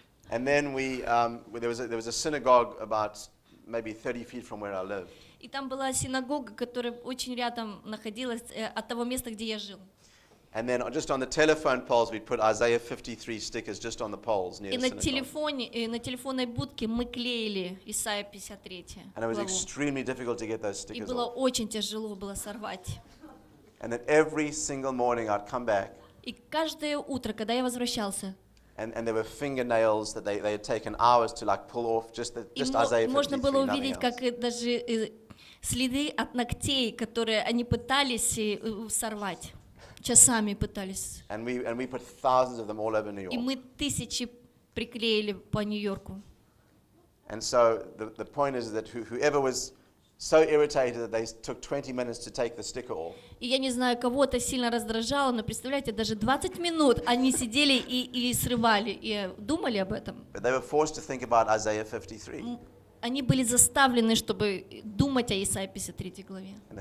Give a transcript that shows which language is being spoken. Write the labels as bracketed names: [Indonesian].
[English] And then we, there was a synagogue about maybe 30 feet from where I lived. [Russian] И там была синагога, которая очень рядом находилась от того места, где я жил. [English] And then just on the telephone poles we'd put Isaiah 53 stickers just on the poles near the synagogue. [Russian] На телефонной будке мы клеили Исаия 53. [English] And it was extremely difficult to get those stickers off. [Russian] И было очень тяжело было сорвать. [English] And then every single morning I'd come back. [Russian] И каждое утро, когда я возвращался. [English] And there were fingernails that they had taken hours to like pull off just Isaiah 53. [Russian] Можно было увидеть, как даже следы от ногтей, которые они пытались сорвать. Часами пытались. [English] And we put thousands of them all over New York. [Russian] И мы тысячи приклеили по Нью-Йорку. [English] And so the point is that whoever was so irritated that they took 20 minutes to take the sticker off. [Russian] И я не знаю, кого это сильно раздражало, но представляете, даже 20 минут они сидели и срывали и думали об этом. [English] But they were forced to think about Isaiah 53. [Russian] Они были заставлены, чтобы думать о Исаии 53 главе.